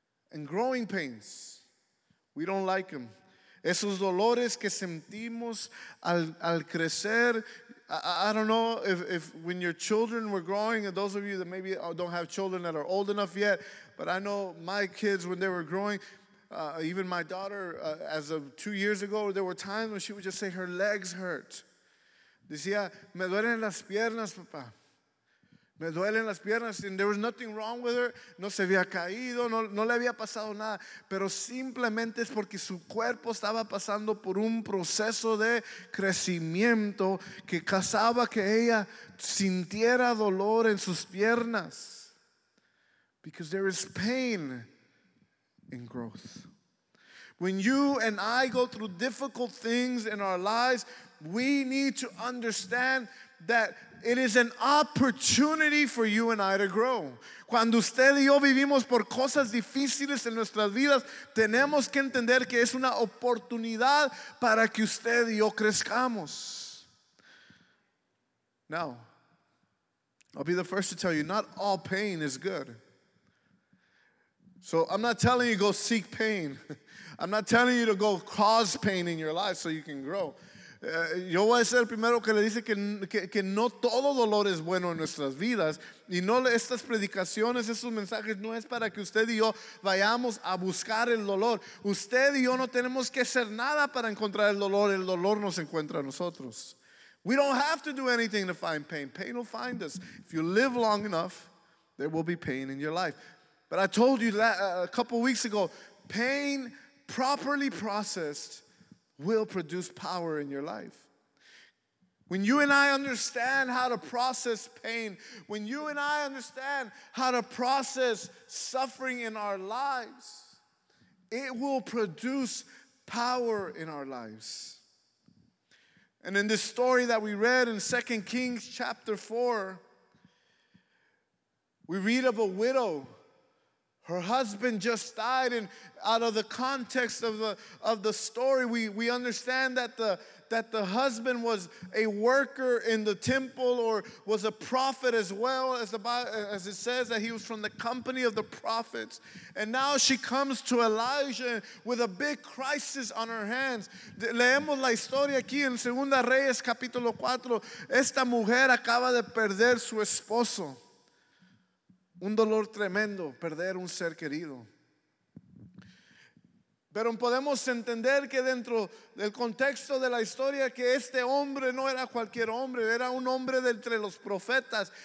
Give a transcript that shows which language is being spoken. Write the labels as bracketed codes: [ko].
[en] And growing pains, we don't like them. [es] Esos dolores que sentimos al crecer, [en] I don't know if when your children were growing, and those of you that maybe don't have children that are old enough yet, but I know my kids when they were growing, even my daughter, as of 2 years ago, there were times when she would just say her legs hurt. [es] Decía, me duelen las piernas, papá. Me duelen las piernas, [en] and there was nothing wrong with her. [es] No se había caído, no le había pasado nada. Pero simplemente es porque su cuerpo estaba pasando por un proceso de crecimiento que causaba que ella sintiera dolor en sus piernas. [en] Because there is pain in growth. When you and I go through difficult things in our lives, we need to understand that it is an opportunity for you and I to grow. [es] Cuando usted y yo vivimos por cosas difíciles en nuestras vidas, tenemos que entender que es una oportunidad para que usted y yo crezcamos. [en] Now, I'll be the first to tell you, not all pain is good. So I'm not telling you go seek pain. I'm not telling you to go cause pain in your life so you can grow. [es] Yo voy a ser el primero que le dice que no todo dolor es bueno en nuestras vidas. Y no estas predicaciones, estos mensajes, no es para que usted y yo vayamos a buscar el dolor. Usted y yo no tenemos que hacer nada para encontrar el dolor. El dolor nos encuentra a nosotros. [en] We don't have to do anything to find pain. Pain will find us. If you live long enough, there will be pain in your life. But I told you that a couple weeks ago, pain properly processed will produce power in your life. When you and I understand how to process pain, when you and I understand how to process suffering in our lives, it will produce power in our lives. And in this story that we read in 2 Kings chapter 4, we read of a widow. Her husband just died, and out of the context of the story, we understand that the husband was a worker in the temple, or was a prophet as well, as it says that he was from the company of the prophets. And now she comes to Elijah with a big crisis on her hands. [es] Leemos la historia aquí en Segunda Reyes capítulo 4. Esta mujer acaba de perder su esposo. Un dolor tremendo, perder un ser querido. Pero podemos entender que dentro del contexto de la historia, que este hombre no era cualquier hombre, era un hombre de entre los profetas.